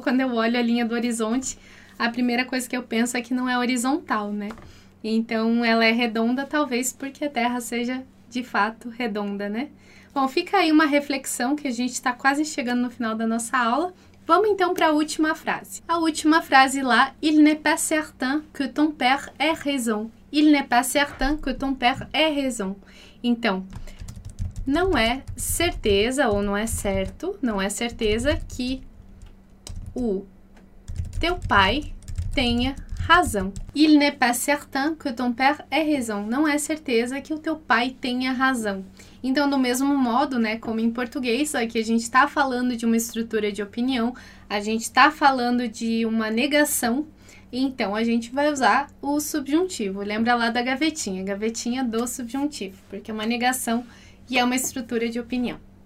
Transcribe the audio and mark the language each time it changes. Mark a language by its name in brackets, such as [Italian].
[Portuguese] Quando eu olho a linha do horizonte, a primeira coisa que eu penso é que não é horizontal, né? Então ela é redonda, talvez porque a Terra seja de fato redonda, né? Bom, fica aí uma reflexão que a gente está quase chegando no final da nossa aula. Vamos então para a última frase. A última frase lá, [French] il n'est pas certain que ton père ait raison. Il n'est pas certain que ton père ait raison. [Portuguese] Então, não é certeza ou não é certo, não é certeza que o teu pai tenha razão. [French] Il n'est pas certain que ton père ait raison. [Portuguese] Não é certeza que o teu pai tenha razão. Então, do mesmo modo, né, como em português, aqui a gente está falando de uma estrutura de opinião, a gente está falando de uma negação. Então, a gente vai usar o subjuntivo. Lembra lá da gavetinha, gavetinha do subjuntivo, porque é uma negação e é uma estrutura de opinião.